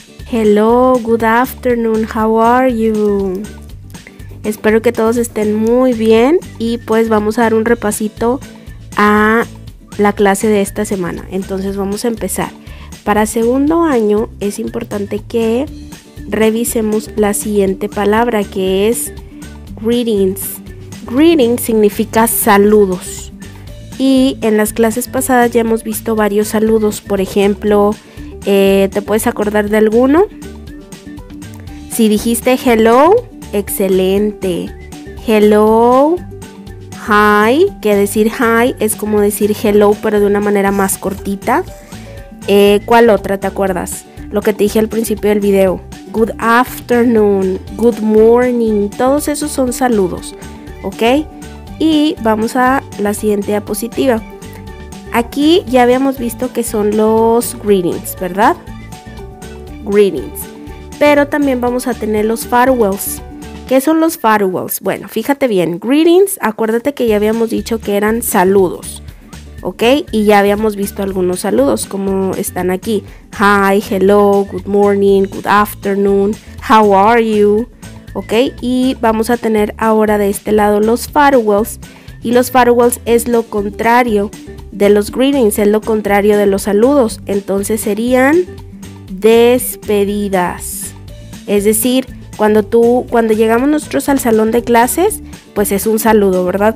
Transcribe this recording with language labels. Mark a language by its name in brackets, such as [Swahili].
[English] Hello, good afternoon, how are you? [Spanish] Espero que todos estén muy bien y pues vamos a dar un repasito a la clase de esta semana. Entonces vamos a empezar. Para segundo año es importante que revisemos la siguiente palabra que es greetings. Greetings significa saludos. Y en las clases pasadas ya hemos visto varios saludos, por ejemplo, ¿te puedes acordar de alguno? Si dijiste hello, excelente. Hello, hi, que decir hi es como decir hello, pero de una manera más cortita. ¿Cuál otra te acuerdas? Lo que te dije al principio del video. [English] Good afternoon, good morning. [Spanish] Todos esos son saludos, ¿ok? Y vamos a la siguiente diapositiva. Aquí ya habíamos visto que son los greetings, ¿verdad? Greetings. Pero también vamos a tener los farewells. ¿Qué son los farewells? Bueno, fíjate bien. Greetings, acuérdate que ya habíamos dicho que eran saludos, ¿ok? Y ya habíamos visto algunos saludos, como están aquí. [English] Hi, hello, good morning, good afternoon, how are you? ¿Ok? [Spanish] Y vamos a tener ahora de este lado los farewells. Y los farewells es lo contrario de los greetings, es lo contrario de los saludos. Entonces serían despedidas. Es decir, cuando llegamos nosotros al salón de clases, pues es un saludo, ¿verdad?